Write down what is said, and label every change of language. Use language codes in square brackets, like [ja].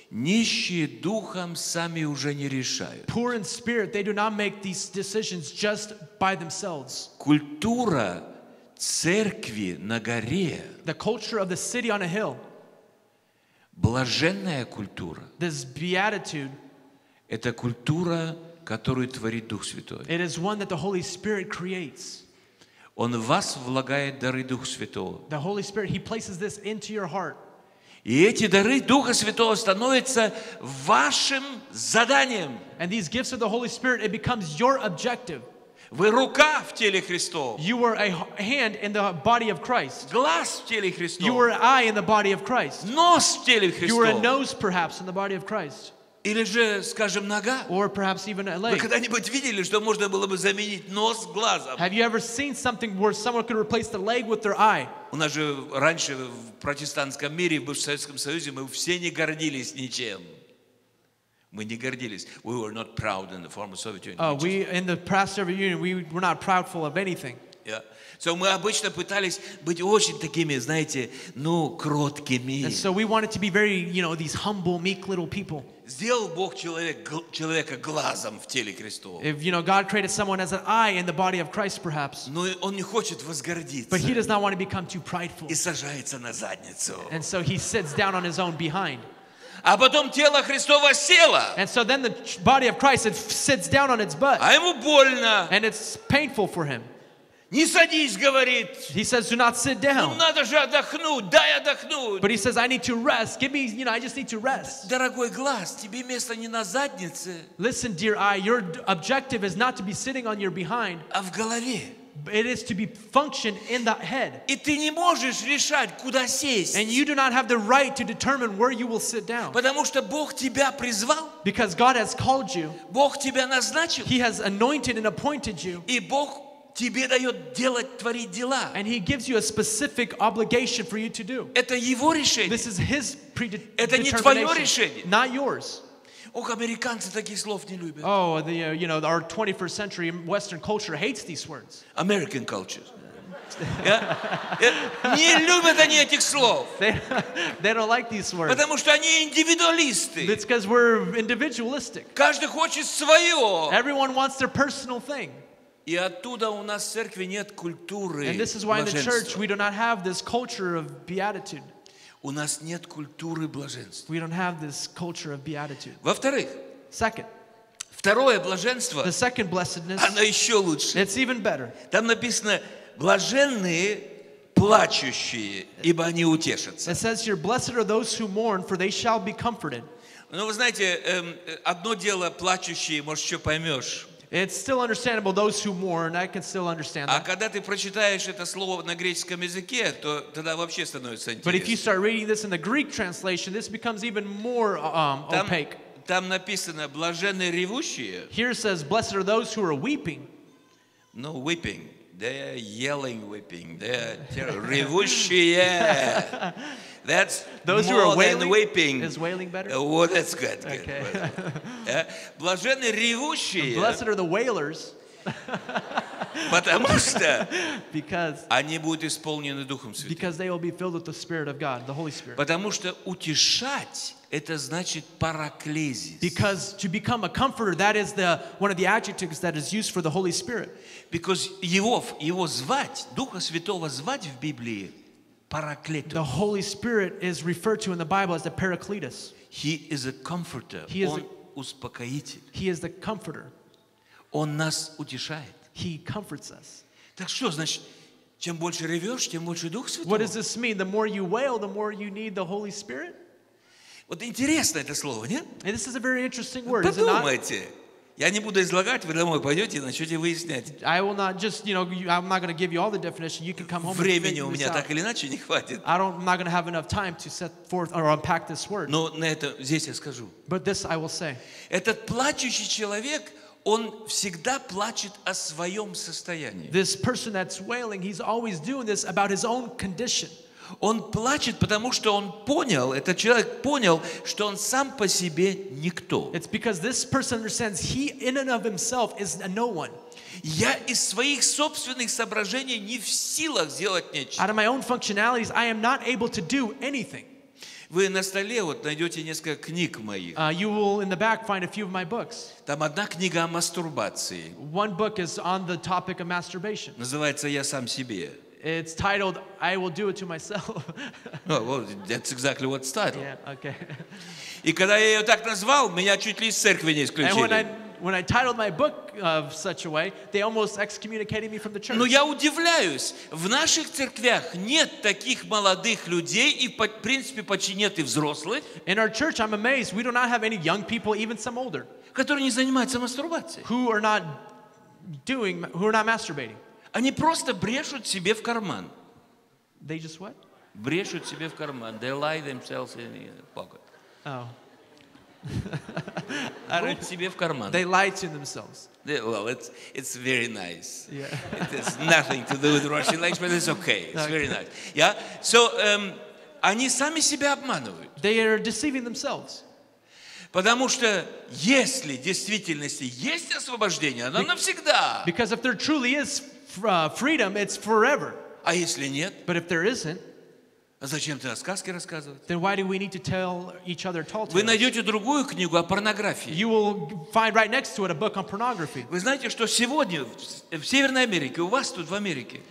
[ru] Нищие духом сами уже не решают. [en] Poor in spirit, they do not make these decisions just by themselves. [ru] Культура церкви на горе. [en] The culture of the city on a hill. [ru] Блаженная культура. [en] This beatitude. [ru] Это культура, которую творит Дух Святой. [en] It is one that the Holy Spirit creates. [ru] Он в вас влагает дары Духа Святого. [en] The Holy Spirit, He places this into your heart. [ru] И эти дары Духа Святого становятся вашим заданием. [en] And these gifts of the Holy Spirit, it becomes your objective. [ru] Вы рука в теле Христова. [en] You are a hand in the body of Christ. [ru] Глаз в теле Христова. [en] You are an eye in the body of Christ. [ru] Нос в теле Христова. [en] You are a nose, perhaps, in the body of Christ. [ru] Или же, скажем, нога. [en] Or perhaps even a leg. [ru] Вы когда-нибудь видели, что можно было бы заменить нос глазом? [en] Have you ever seen something where someone could replace the leg with their eye? [ru] У нас же раньше в протестантском мире, в бывшем Советском Союзе, мы все не гордились ничем. Мы не гордились. [en] We were not proud in the former Soviet Union. Oh, we in the past Soviet Union, we were not proudful of anything. Yeah. [ru] So мы обычно пытались быть очень такими, знаете, ну, кроткими. [en] And so we wanted to be very, you know, these humble, meek little people. [ru] Сделал Бог человека глазом в теле Христова. [en] If you know God created someone as an eye in the body of Christ, perhaps. [ru] Но он не хочет возгордиться. [en] But he does not want to become too prideful. [ru] И сажается на задницу. [en] And so he sits down on his own behind. [ru] А потом тело Христово село. [en] And so then the body of Christ it sits down on its butt. [ru] А ему больно. [en] And it's painful for him. [ru] Не садись, говорит. [en] He says, do not sit down. [ru] Ну, надо же отдохнуть, дай отдохнуть. [en] But he says, I need to rest. Give me, you know, I just need to rest. [ru] Дорогой глаз, тебе место не на заднице. [en] Listen, dear eye, your objective is not to be sitting on your behind. [ru] А в голове. [en] It is to be function in the head. [ru] И ты не можешь решать, куда сесть. [en] And you do not have the right to determine where you will sit down. [ru] Потому что Бог тебя призвал. [en] Because God has called you. [ru] Бог тебя назначил. [en] He has anointed and appointed you. [ru] И Бог тебе дает делать, творить дела. [en] And he gives you a specific obligation for you to do. [ru] Это его решение. [en] This is his predetermination. [ru] Это не твое решение. [en] Not yours. [ru] Ох, американцы таких слов не любят. [en] Oh, the, you know, our 21st century Western culture hates these words. American culture. [ru] Не любят они этих слов. [en] They don't like these words. [ru] Потому что они индивидуалисты. [en] It's because we're individualistic. [ru] Каждый хочет своего. [en] Everyone wants their personal thing. [ru] И оттуда у нас в церкви нет культуры. [en] And this is why in the church we do not have this culture of beatitude. [ru] У нас нет культуры блаженства. [en] We don't have this culture of beatitude. [ru] Во-вторых. [en] Second. [ru] Второе блаженство. [en] The second blessedness. [ru] Оно еще лучше. [en] It's even better. [ru] Там написано. Блаженные плачущие, ибо они утешатся. [en] It says here, blessed are those who mourn, for they shall be comforted. [ru] Ну, вы знаете, одно дело плачущие, может, еще поймешь. [en] It's still understandable, those who mourn, I can still understand that. [ru] А когда ты прочитаешь это слово на греческом языке, то тогда вообще становится интересно. [en] But if you start reading this in the Greek translation, this becomes even more opaque. [ru] Там написано, блаженные ревущие. [en] Here it says, blessed are those who are weeping. No, weeping. They're yelling, weeping. They're [ru] ревущие. [en] That's those more who are wailing, than weeping. Is wailing better? Oh, that's good. Good. Okay. [ru] Блаженные ревущие. [en] Blessed are the wailers. [ru] Потому что [en] because [ru] они будут исполнены Духом Святым. [en] Because they will be filled with the Spirit of God, the Holy Spirit. [ru] Потому что утешать это значит параклезис. [en] Because to become a comforter, that is the one of the adjectives that is used for the Holy Spirit. Because [ru] его звать, Духа Святого звать в Библии параклетос. [en] The Holy Spirit is referred to in the Bible as the Paracletus. He is a comforter. He is [ru] Он успокоитель. [en] He is the comforter. [ru] Он нас утешает. [en] He comforts us. [ru] Так что значит, чем больше ревешь, тем больше Дух Святого? [en] What does this mean? The more you wail, the more you need the Holy Spirit? [ru] Вот интересно это слово, нет? [en] And this is a very interesting word, is it not? [ru] Подумайте. Я не буду излагать, вы домой пойдете и начнете выяснять. [en] I will not just, you know, I'm not going to give you all the definition. You can come home. [ru] Времени у меня так или иначе не хватит. [en] I'm not going to have enough time to set forth or unpack this word. [ru] Но на это здесь я скажу. [en] But this I will say. [ru] Этот плачущий человек, он всегда плачет о своем состоянии. [en] This person that's wailing, he's always doing this about his own condition. [ru] Он плачет, потому что он понял, этот человек понял, что он сам по себе никто. [en] It's because this person understands he in and of himself is a no one. [ru] Я из своих собственных соображений не в силах сделать нечто. [en] Out of my own functionalities, I am not able to do anything. [ru] Вы на столе вот найдете несколько книг моих. [en] You will in the back find a few of my books. [ru] Там одна книга о мастурбации. [en] One book is on the topic of masturbation. [ru] Называется «Я сам себе». [en] It's titled "I Will Do It to Myself." Oh, well, that's exactly what's titled. Yeah, okay. [ru] И когда я ее так назвал, меня чуть ли из церкви не исключили. [en] And when I titled my book of such a way, they almost excommunicated me from the church. [ru] Но я удивляюсь, в наших церквях нет таких молодых людей, и в принципе почти нет и взрослых. [en] In our church, I'm amazed we do not have any young people, even some older, [ru] которые не занимаются мастурбацией. [en] Who are not masturbating. [ru] Они просто брешут себе в карман. [en] They just what? [ru] Брешут себе в карман. [en] They lie themselves in their pocket. Oh. [ru] Брут себе в карман. [en] They lie to themselves. Well, it's very nice. Yeah. It has nothing to do with Russian language, but it's okay. It's okay. Very nice. Yeah? [ru] So, они сами себя обманывают. [en] They are deceiving themselves. [ru] Потому что если в действительности есть освобождение, оно навсегда. [en] Because if there truly is freedom, it's forever. [ru] А если нет? [en] But if there isn't, [ru] зачем тогда сказки рассказывать? [en] Then why do we need to tell each other tall tales? [ru] Вы найдете другую книгу о порнографии. [en] You will find right next to it a book on pornography. [ru] Вы знаете, что сегодня в Северной Америке, у вас тут в Америке,